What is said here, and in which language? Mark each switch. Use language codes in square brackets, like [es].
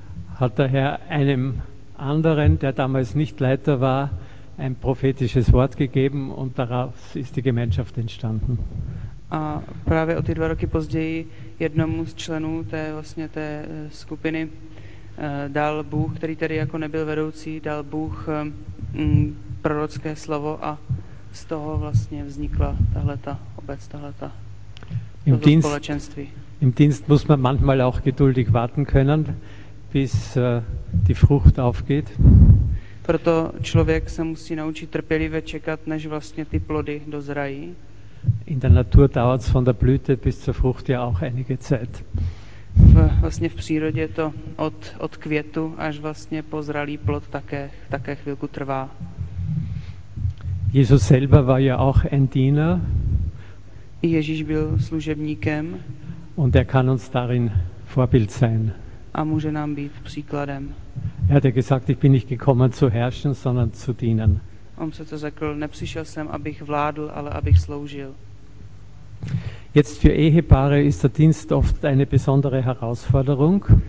[de] hat der Herr einem anderen, der damals nicht Leiter war, ein prophetisches Wort gegeben und daraus ist die Gemeinschaft entstanden. [cs] A právě o ty dva roky později jednomu z členů té vlastně té skupiny dal Bůh, který tedy jako nebyl vedoucí, dal Bůh prorocké slovo a z toho vlastně vznikla tahleta obec, tahleta společenství. [de] Im Dienst muss man manchmal auch geduldig warten können, bis die Frucht aufgeht. [cs] Proto člověk se musí naučit trpělivě čekat, než vlastně ty plody dozrají. [de] In der Natur dauert es von der Blüte bis zur Frucht ja auch einige Zeit. [cs] Vlastně v přírodě to od květu až vlastně po zralý plod také chvilku trvá. [de] Jesus selber war ja auch ein Diener. [cs] Ježíš byl služebníkem. [de] Und er kann uns darin Vorbild sein. [cs] A může nám být příkladem. [de] Er hat ja gesagt, ich bin nicht gekommen zu herrschen, sondern zu dienen. [cs] On se to řekl, nepřišel jsem, abych vládl, ale abych sloužil. [de] Jetzt für Ehepaare ist der Dienst oft eine besondere Herausforderung.